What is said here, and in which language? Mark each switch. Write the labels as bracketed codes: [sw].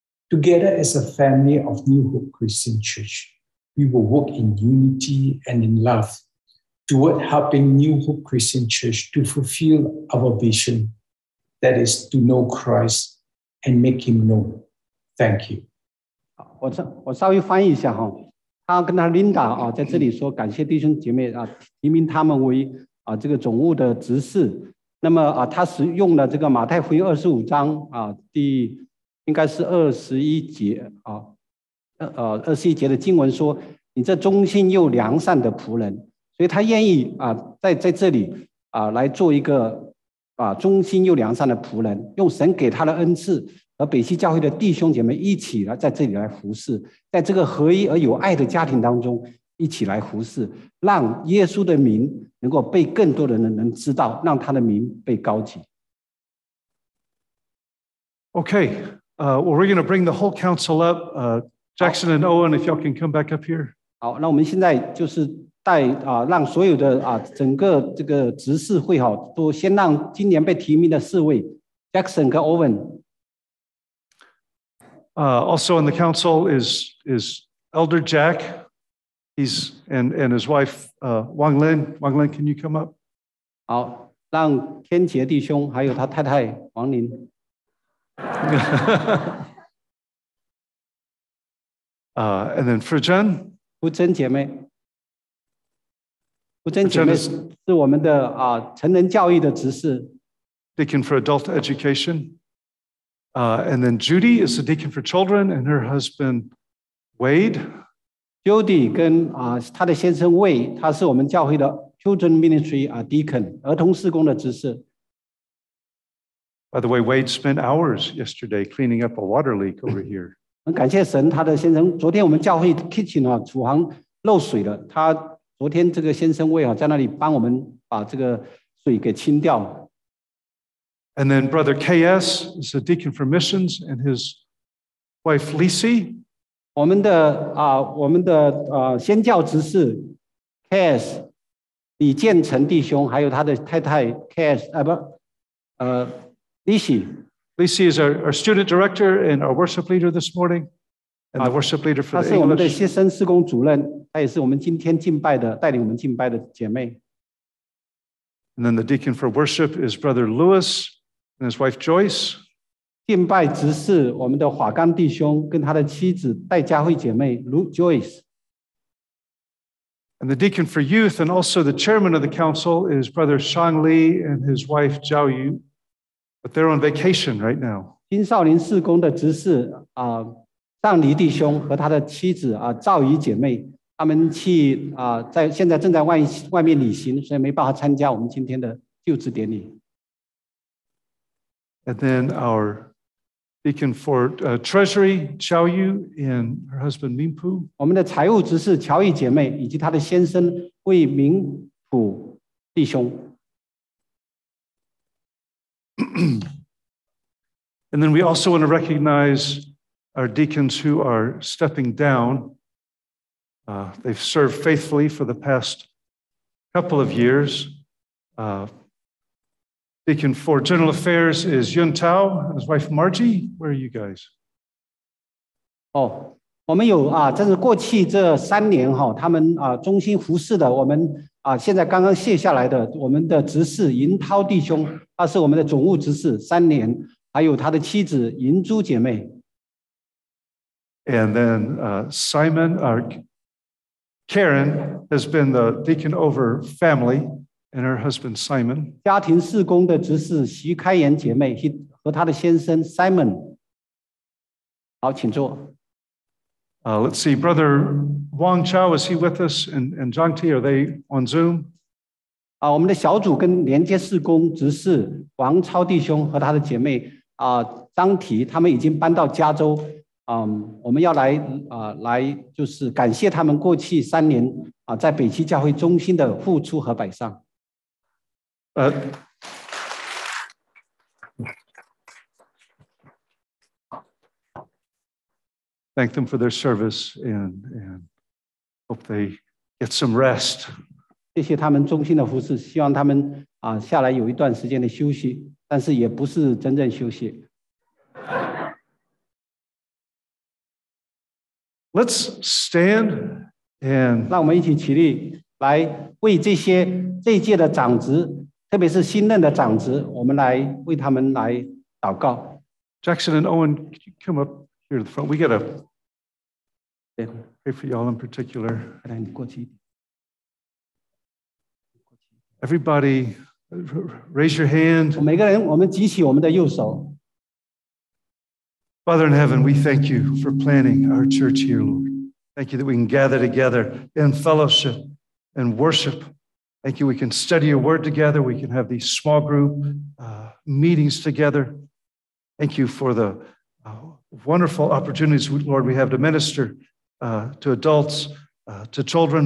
[en] Together as a family of New Hope Christian Church, we will work in unity and in love. Toward helping New Hope Christian Church to fulfill our vision, that is to know Christ and make Him known. Thank you. [zh] 我稍微翻译一下哈，他跟他 Linda 在这里说感谢弟兄姐妹提名他们为这个总务的执事。那么他使用了这个马太福音二十五章第应该是二十一节二十一节的经文说，你这忠心又良善的仆人。所以他愿意在这里来做一个忠心又良善的仆人，用神给他的恩赐和北西教会的弟兄姐妹一起来在这里来服侍，在这个合一而有爱的家庭当中，一起来服侍，让耶稣的名能够被更多的人能知道，让他的名被高举。 [en] Okay, well, we're going to bring the whole council up. Jackson and Owen, if y'all can come back up here. [zh] 好，那我们现在就是带啊，让所有的啊，整个这个执事会哈，都先让今年被提名的四位 Jackson 跟 Owen。 [en] Also on the council is Elder Jack. He's and his wife Wang Lin. Wang Lin, can you come up? [zh] 好，让天杰弟兄还有他太太王林。 [en] And then for Jen, [zh] 福珍姐妹，福珍姐妹是我们的啊成人教育的执事 [en] ，Deacon for Adult Education. And then Judy is the Deacon for Children, and her husband Wade. [zh] Judy 跟啊她的先生 Wade， 他是我们教会的 [en] Children Ministry [zh] 啊 Deacon 儿童事工的执事。 [en] By the way, Wade spent hours yesterday cleaning up a water leak over here. [zh] 很感谢神，他的先生昨天我们教会 kitchen 啊厨房漏水了。他昨天这个先生为啊在那里帮我们把这个水给清掉。 [en] And then Brother KS is a deacon for missions, and his wife Lisi. [zh] 我们的啊，我们的啊宣教执事 KS 李建成弟兄，还有他的太太 KS 啊不，Lisi [en] is our student director and our worship leader this morning, and the worship leader for the English. [zh] 她是我们的新生事工主任，她也是我们今天敬拜的带领我们敬拜的姐妹。 [en] And then the deacon for worship is Brother Lewis and his wife Joyce. [zh] 敬拜执事我们的华冈弟兄跟他的妻子戴佳慧姐妹 Joyce. [en] And the deacon for youth and also the chairman of the council is Brother Shang Li and his wife Zhao Yu. But they're on vacation right now. [zh] 青少年事工的执事啊，尚黎弟兄和他的妻子啊，赵怡姐妹，他们去啊，在现在正在外面旅行，所以没办法参加我们今天的就职典礼。 [en] And then our deacon for treasury, Chao Yu and her husband Ming Pu. [zh] 我们的财务执事乔怡姐妹以及她的先生魏明普弟兄。 [en] And then we also want to recognize our deacons who are stepping down. They've served faithfully for the past couple of years. Deacon for General Affairs is Yun Tao and his wife Margie. Where are you guys? [zh] Oh, 我们有啊，这是过去这三年哈，他们啊忠心服侍的我们。啊，现在刚刚卸下来的我们的执事银涛弟兄，他是我们的总务执事三年，还有他的妻子银珠姐妹。 [en] And then Simon, Karen has been the deacon over family and her husband Simon. [zh] 家庭事工的执事徐开言姐妹和他的先生 Simon。好，请坐。 [en] Let's see, Brother Wang Chao, is he with us? And John T, are they on Zoom? [zh] 我们的小组跟连接事工执事王超弟兄和他的姐妹张提，他们已经搬到加州。我们要来就是感谢他们过去三年在北区教会中心的付出和摆上。 [en] Thank them for their service and hope they get some rest. [zh] 谢谢他们忠心的服侍，希望他们啊下来有一段时间的休息，但是也不是真正休息。 [en] Let's stand and [zh] 让我们一起起立，来为这些这一届的长执，特别是新任的长执，我们来为他们来祷告。 [en] Jackson and Owen, could you come up? Here to the front. We got to pray for y'all in particular. Everybody, raise your hand. [zh] 每个人，我们举起我们的右手。 [en] Father in heaven, we thank you for planning our church here, Lord. Thank you that we can gather together in fellowship and worship. Thank you we can study your word together. We can have these small group meetings together. Thank you for the... wonderful opportunities, Lord, we have to minister to adults to children.